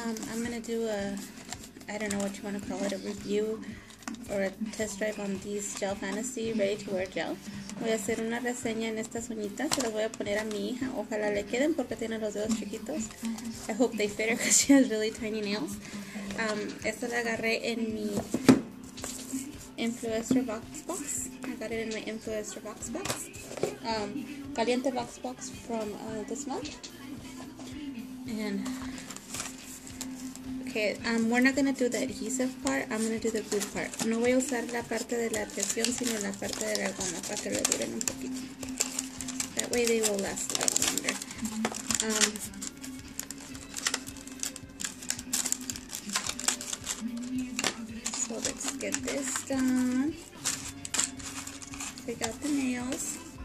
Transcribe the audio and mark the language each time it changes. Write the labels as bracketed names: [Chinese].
[English] I'm gonna do a, I don't know what you wanna call it, a review or a test drive on these gel fantasy ready to wear gel. [Spanish] Voy a hacer una reseña en estas uñitas. Se las voy a poner a mi hija. Ojalá le queden porque tiene los dedos chiquitos. [English] I hope they fit her because she has really tiny nails. [Spanish] Esta la agarré en mi influencer box box. [English] I got it in my influencer box box. Caliente box box from this month. And okay, we're not gonna do the adhesive part. I'm gonna do the glue part. [Spanish] No voy a usar la parte de la adhesión, sino la parte de la goma para que le duren un poquito. [English] That way they will last a little longer. So let's get this done. Pick out the nails.